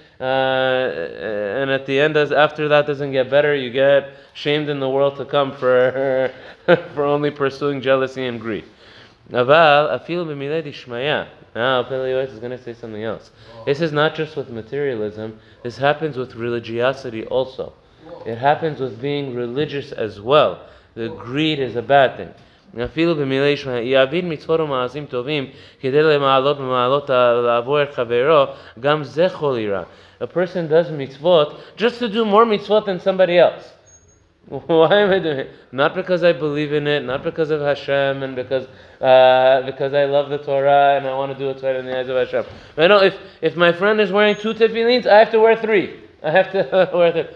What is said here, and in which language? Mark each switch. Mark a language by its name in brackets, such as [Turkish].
[English] And at the end, as after that doesn't get better, you get shamed in the world to come for only pursuing jealousy and greed. [Hebrew] Aval afil b'milei d'shmaya. [English] Now, Pele Yoetz is going to say something else. This is not just with materialism. This happens with religiosity also. It happens with being religious as well. The greed is a bad thing. [Hebrew] אפילו במילי שמיים, יעביד מצוות ומעשים טובים כדי למעלות במעלות לעבור את חברו, גם זה חולי רע. [English] A person does mitzvot just to do more mitzvot than somebody else. Why am I doing it? Not because I believe in it, not because of Hashem, and because I love the Torah and I want to do what's right in the eyes of Hashem. I know if my friend is wearing 2 tefillins, I have to wear 3. I have to wear 3.